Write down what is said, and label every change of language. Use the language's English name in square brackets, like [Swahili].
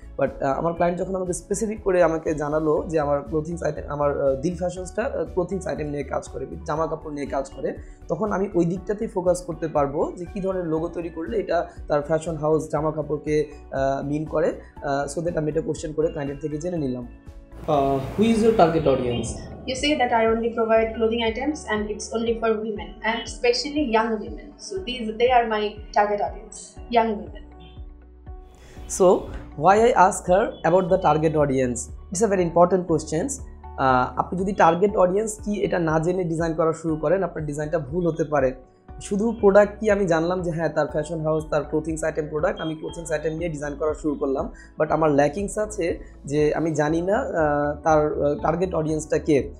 [Bangla] But আমার client যখন আমাকে স্পেসিফিক করে আমাকে জানালো যে আমার ক্লোথিংস আইটেম, আমার দিল ফ্যাশনসটা ক্লোথিংস আইটেম নিয়ে কাজ করে, জামা কাপড় নিয়ে কাজ করে, তখন আমি ওই দিকটাতেই ফোকাস করতে পারবো যে কী ধরনের লোগো তৈরি করলে এটা তার ফ্যাশন হাউস জামা কাপড়কে মিন করে। সো দ্যাট আমি এটা কোশ্চেন করে ক্লায়েন্টের থেকে জেনে নিলাম। [English] Who is your target audience? You say that I only provide clothing items and it's only for women and especially young women. So they are my target audience, young women. So why I ask her about the target audience? It's a very important question. [Bangla] আপনি যদি target audience কি এটা না জেনে design করা শুরু করেন, আপনার ডিজাইনটা ভুল হতে পারে। শুধু প্রোডাক্ট কি আমি জানলাম যে হ্যাঁ তার ফ্যাশন হাউস, তার ক্লোথিংস আইটেম প্রোডাক্ট, আমি ক্লোথিংস আইটেম নিয়ে ডিজাইন করা শুরু করলাম, বাট আমার ল্যাকিংস আছে যে আমি জানি না তার টার্গেট অডিয়েন্সটা কে।